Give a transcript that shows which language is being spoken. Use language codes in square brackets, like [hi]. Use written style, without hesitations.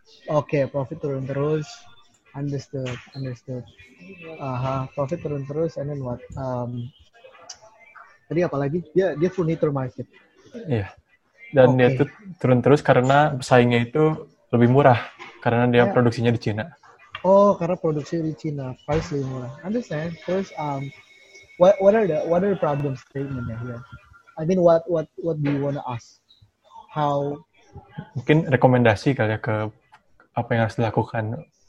[en] Okay, profit [id] turun terus. [en] Understood. Aha, profit turun terus, and then what? [id] Tadi apa lagi? Dia furniture market. Iya. Dan okay. Dia itu turun terus karena pesaingnya itu lebih murah, karena dia produksinya di China. Oh, karena produksi di Cina, price lebih murah. [en] Understand? Terus, what are the problem statement-nya here? I mean, what do you wanna ask? How? [id] Mungkin rekomendasi kali ya ke apa yang harus dilakukan?